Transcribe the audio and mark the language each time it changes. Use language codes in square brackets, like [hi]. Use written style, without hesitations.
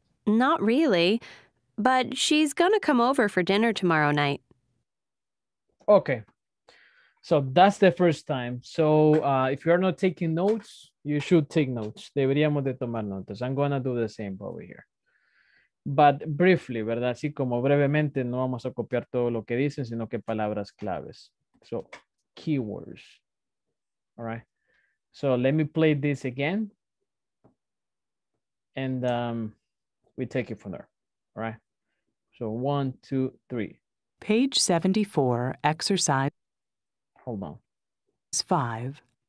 [en] Not really, but she's going to come over for dinner tomorrow night. Okay. So that's the first time. So if you're not taking notes, you should take notes. [es] Deberíamos de tomar notas. [en] I'm going to do the same over here. But briefly, [es] ¿verdad? Así como brevemente, no vamos a copiar todo lo que dicen, sino que palabras claves. [en] So keywords. All right. So let me play this again, and we take it from there, all right? So 1, 2, 3. Page 74, exercise. Hold on. 5.